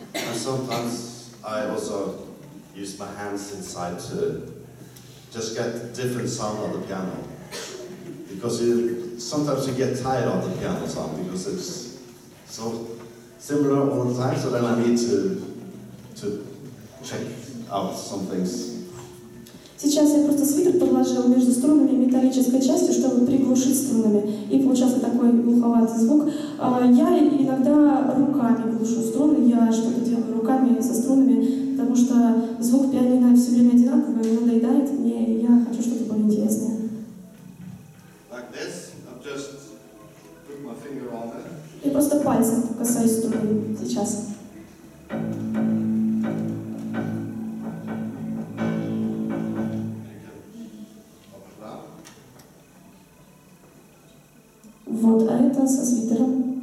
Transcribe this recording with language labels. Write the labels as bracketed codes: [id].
[en] And sometimes I also use my hands inside to just get different sound on the piano. Because sometimes you get tired of the piano sound because it's so similar all the time, so then I need to check out some things. [ru] Сейчас я просто свитер подложил между струнами металлической частью, чтобы приглушить струнами. И получался такой глуховатый звук. Я иногда руками глушу струны, я что-то делаю руками со струнами, потому что звук пианино все время одинаковый, он надоедает мне, и я хочу что-то более интересное. [en] Like this, I just put my finger on it. [ru] Я просто пальцем касаюсь струны сейчас. Вот, а это со свитером.